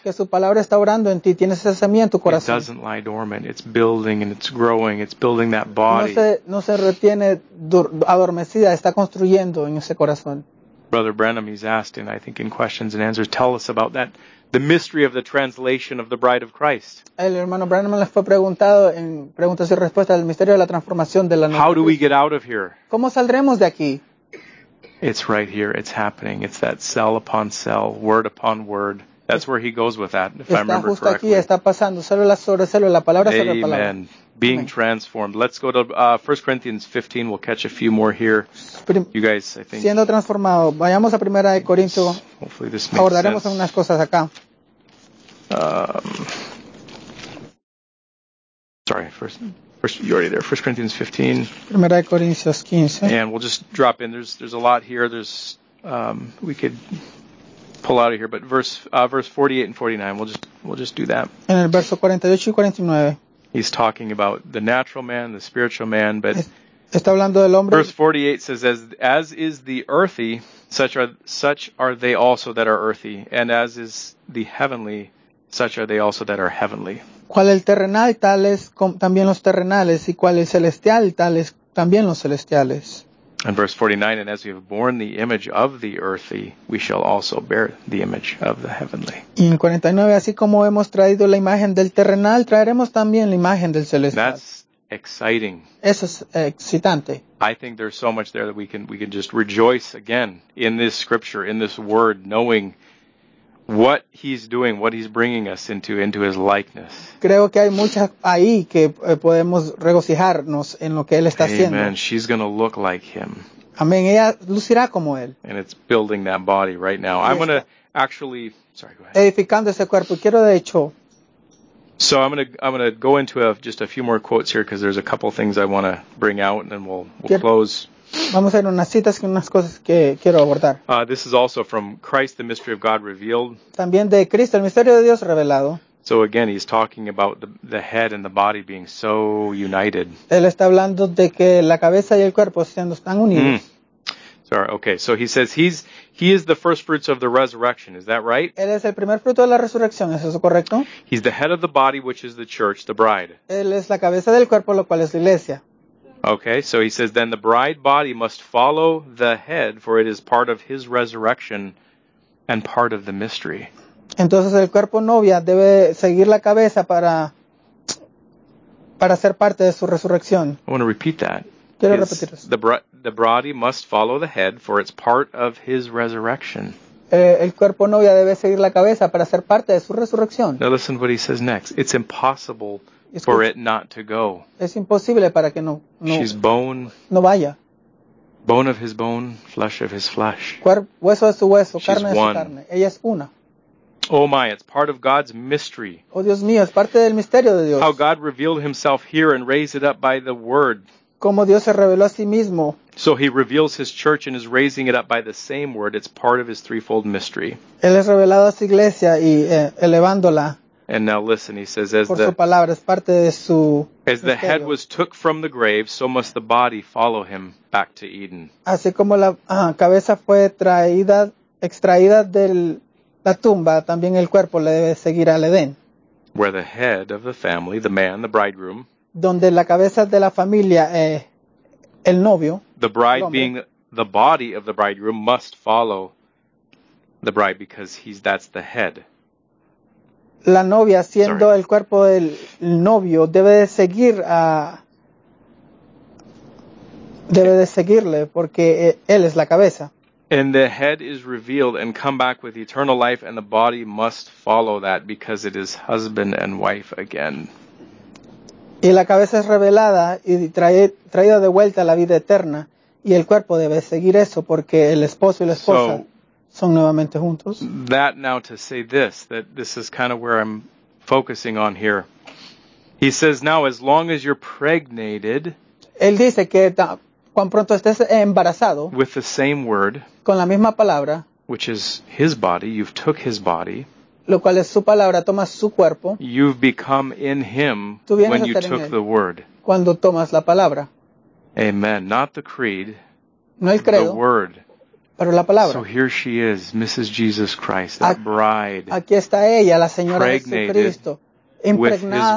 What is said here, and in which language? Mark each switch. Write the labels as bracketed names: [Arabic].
[Spanish] Que su palabra está orando en ti. Tienes esa semilla en tu corazón. [English] It doesn't lie dormant. It's building and it's growing. It's building that body. [Spanish] No se retiene adormecida. Está construyendo en ese corazón. [English] Brother Branham, he's asked, and I think in questions and answers, tell us about that, the mystery of the translation of the Bride of Christ. [Spanish] El hermano Branham le fue preguntado en preguntas y respuestas del misterio de la transformación de la [English] How do we get out of here? [Spanish] ¿Cómo saldremos de aquí? [English] It's right here. It's happening. It's that cell upon cell, word upon word. That's where he goes with that, if [Spanish] está [English] I remember [Spanish] justo [English] correctly. [Spanish] Aquí, está pasando, célula sobre célula, palabra [English] Amen. [Spanish] Sobre palabra. [English] Being Amen. Transformed. Let's go to 1 Corinthians 15. We'll catch a few more here. You guys, I think. [Spanish] Siendo transformado, vayamos a Primera de Corinto. [English] Hopefully this makes [Spanish] Abordaremos [English] sense. [Spanish] Unas cosas acá. [English] Sorry, first. You're already there. 1 Corinthians 15. [Spanish] Primera de Corintios 15. [English] And we'll just drop in. There's a lot here. There's we could pull out of here, but verse 48 and 49. We'll just do that. [Spanish] En el verso 48 y 49. [English] He's talking about the natural man, the spiritual man, but [Spanish] está hablando del hombre. [English] Verse 48 says, as is the earthy, such are they also that are earthy, and as is the heavenly, such are they also that are heavenly. [Spanish] Cual el terrenal, tales también los terrenales, y cual el celestial, tales también los celestiales. [English] And verse 49, and as we have borne the image of the earthy, we shall also bear the image of the heavenly. [Spanish] Y en 49, así como hemos traído la imagen del terrenal, traeremos también la imagen del celestial. [English] That's exciting. [Spanish] Eso es excitante. [English] I think there's so much there that we can just rejoice again in this scripture, in this word, knowing what he's doing, what he's bringing us into his likeness. [Spanish] Creo que hay muchas ahí que podemos regocijarnos en lo que él está [English] Amen. [Spanish] Haciendo. [English] Amen. She's going to look like him. [Spanish] Amén. Ella lucirá como él. [English] And it's building that body right now. I'm going to actually... Sorry, go ahead. [Spanish] Edificando ese cuerpo. Quiero, de hecho, [English] So I'm gonna go into just a few more quotes here because there's a couple things I want to bring out, and then we'll close. [Spanish] Vamos a ir unas citas con unas cosas que quiero abordar. [English] This is also from Christ, the Mystery of God Revealed. [Spanish] También de Cristo, el misterio de Dios revelado. [English] So again, he's talking about the head and the body being so united. [Spanish] Él está hablando de que la cabeza y el cuerpo siendo tan unidos. Mm. [English] Sorry. Okay. So he says he is the first fruits of the resurrection. Is that right? [Spanish] Él es el primer fruto de la resurrección. ¿Es eso correcto? [English] He's the head of the body, which is the church, the bride. [Spanish] Él es la cabeza del cuerpo, lo cual es la iglesia. [English] Okay. So he says then the bride body must follow the head, for it is part of his resurrection and part of the mystery. [Spanish] Entonces el cuerpo novia debe seguir la cabeza para ser parte de su resurrección. [English] I want to repeat that. [Spanish] Quiero repetir eso. [English] The body must follow the head, for it's part of his resurrection. [Spanish] El cuerpo novia debe seguir la cabeza para ser parte de su resurrección. [English] Now listen to what he says next. It's impossible for it not to go. [Spanish] Es imposible para que no. [English] She's bone. [Spanish] No vaya. [English] Bone of his bone, flesh of his flesh. [Spanish] Hueso de su hueso, carne de su carne. Ella es una. [English] Oh my, it's part of God's mystery. [Spanish] Oh Dios mío, es parte del misterio de Dios. [English] How God revealed himself here and raised it up by the word. [Spanish] Como Dios se reveló a sí mismo. [English] So he reveals his church and is raising it up by the same word. It's part of his threefold mystery. [Spanish] Él es revelado a su iglesia y elevándola. [English] And now listen, he says, as [Spanish] por [English] the, [Spanish] su palabra, es parte de su [English] as [Spanish] misterio. [English] The head was took from the grave, so must the body follow him back to Eden. [Spanish] Así como la cabeza fue extraída del la tumba, también el cuerpo le debe seguir al Edén. [English] Where the head of the family, the man, the bridegroom. [Spanish] Donde la cabeza de la familia es el novio. [English] The bride being the body of the bridegroom must follow the bride because that's the head. [Spanish] La novia siendo el cuerpo del novio debe de seguir a debe de seguirle porque él es la cabeza. [English] And the head is revealed and come back with eternal life and the body must follow that because it is husband and wife again. [Spanish] Y la cabeza es revelada y traída de vuelta a la vida eterna. Y el cuerpo debe seguir eso porque el esposo y la esposa son nuevamente juntos. [English] That now to say this is kind of where I'm focusing on here. He says now as long as you're pregnated. [Spanish] Él dice que cuán pronto estés embarazado. [English] With the same word. [Spanish] Con la misma palabra. [English] Which is his body. You've took his body. [Spanish] Lo cual es su palabra, tomas su cuerpo. [English] You've become in him when you took the word. [Spanish] Cuando tomas la palabra. [English] Amen. Not the creed. [Spanish] No el credo. [English] The word. [Spanish] Pero la palabra. [English] So here she is, Mrs. Jesus Christ, that bride. [Spanish] Aquí está ella, la señora Jesucristo. Impregnada